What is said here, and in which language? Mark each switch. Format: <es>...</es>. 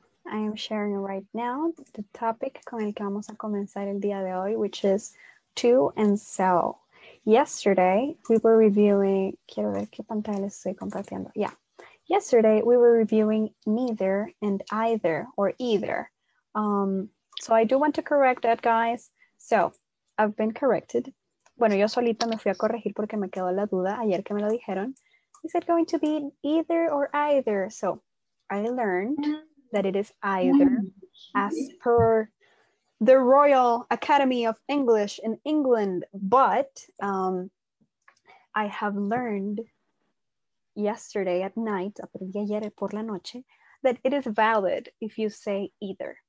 <en>I am sharing right now the topic</en> <es>con el que vamos a comenzar el día de hoy,</es> <en>which is to and sell. Yesterday, we were reviewing,</en> <es>quiero ver qué pantalla les estoy compartiendo. Yeah.</es> <en>Yesterday, we were reviewing neither and either or either. So I do want to correct that, guys. So I've been corrected.</en> <es>Bueno, yo solita me fui a corregir porque me quedó la duda ayer que me lo dijeron.</es> <en>Is it going to be either or either? So I learned that it is either, as per the Royal Academy of English in England. But I have learned yesterday at night,</en> <es>ayer por la noche,</es> <en>that it is valid if you say either.</en>